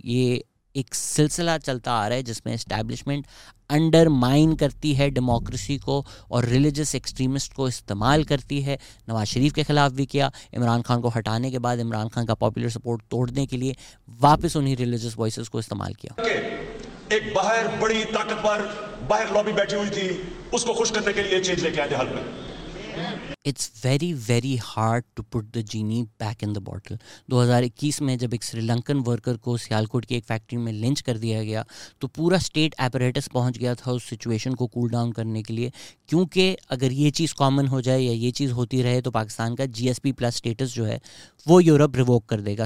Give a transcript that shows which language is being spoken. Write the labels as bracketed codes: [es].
[ur] یہ ایک سلسلہ چلتا آ رہا ہے جس میں اسٹیبلشمنٹ انڈر مائن کرتی ہے ڈیموکریسی کو اور ریلیجیس ایکسٹریمسٹ کو استعمال کرتی ہے. نواز شریف کے خلاف بھی کیا, عمران خان کو ہٹانے کے بعد عمران خان کا پاپولر سپورٹ توڑنے کے لیے واپس انہی ریلیجیس وائسز کو استعمال کیا. ایک باہر بڑی طاقتور باہر لابی بیٹھی ہوئی تھی, اس کو خوش کرنے کے لیے چینج لے کے آئے تھے حل میں. [en] It's very very hard to put the genie back in the bottle. [ur] 2021 میں جب ایک سری لنکن ورکر کو سیالکوٹ کی ایک فیکٹری میں لنچ کر دیا گیا تو پورا اسٹیٹ اپریٹس پہنچ گیا تھا اس سچویشن کو کول ڈاؤن کرنے کے لیے, کیونکہ اگر یہ چیز کامن ہو جائے یا یہ چیز ہوتی رہے تو پاکستان کا جی ایس پی پلس اسٹیٹس جو ہے وہ یورپ ریووک کر دے گا.